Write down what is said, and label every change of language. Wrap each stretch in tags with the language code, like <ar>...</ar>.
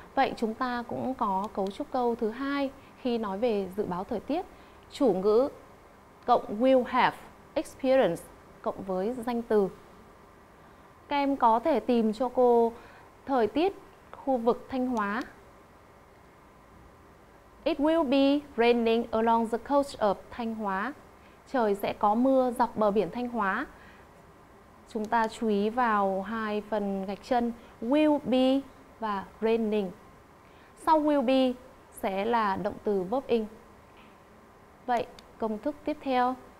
<vi>Vậy chúng ta cũng có cấu trúc câu thứ hai khi nói về dự báo thời tiết. Chủ ngữ cộng will have experience cộng với danh từ. Các em có thể tìm cho cô thời tiết khu vực Thanh Hóa.</vi> <en>It will be raining along the coast of Thanh Hóa.</en> <vi>Trời sẽ có mưa dọc bờ biển Thanh Hóa. Chúng ta chú ý vào hai phần gạch chân will be và raining. Sau will be sẽ là động từ verb ing. Vậy công thức tiếp theo.</vi>